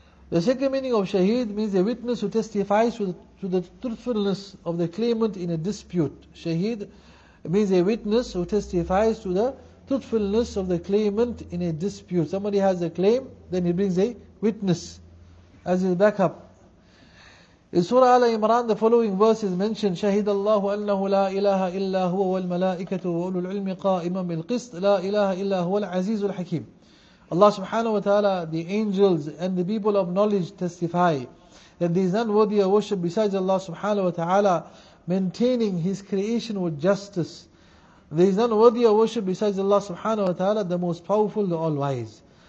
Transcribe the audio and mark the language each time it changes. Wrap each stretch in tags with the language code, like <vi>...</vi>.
<en>The second meaning of shaheed means a witness who testifies to the truthfulness of the claimant in a dispute. Shaheed means a witness who testifies to the truthfulness of the claimant in a dispute. Somebody has a claim, then he brings a witness as his backup. In Surah Al-Imran, the following verse is mentioned:</en> <ar>شهد الله أنه لا إله إلا هو والملائكة وأولو العلم قائما بالقسط لا إله إلا هو العزيز الحكيم.</ar> <en>Allah subhanahu wa ta'ala, the angels and the people of knowledge testify that there is none worthy of worship besides Allah subhanahu wa ta'ala, maintaining His creation with justice. There is none worthy of worship besides Allah subhanahu wa ta'ala, the most powerful, the all-wise.</en>